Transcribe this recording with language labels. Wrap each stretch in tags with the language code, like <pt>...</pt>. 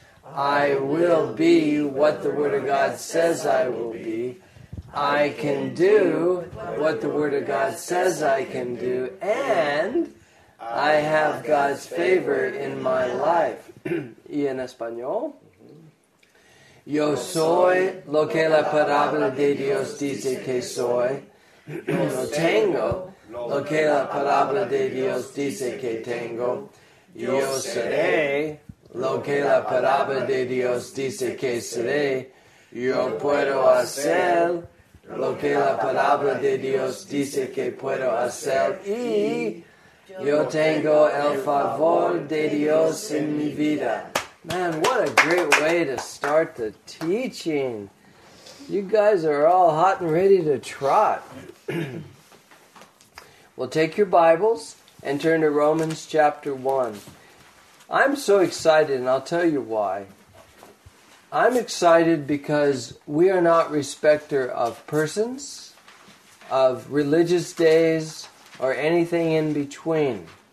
<en>I will be what the Word of God says I will be. I can do what the Word of God says I can do. And I have God's favor in my life.</en> <es>Y en español. Yo soy lo que la palabra de Dios dice que soy. Yo tengo lo que la palabra de Dios dice que tengo. Yo seré lo que la palabra de Dios dice que seré. Yo puedo hacer lo que la palabra de Dios dice que puedo hacer. Y yo tengo el favor de Dios en mi vida.</es> <en>Man, what a great way to start the teaching. You guys are all hot and ready to trot. Well, take your Bibles and turn to Romans chapter 1. I'm so excited, and I'll tell you why. I'm excited because we are not respecter of persons, of religious days, or anything in between.</en>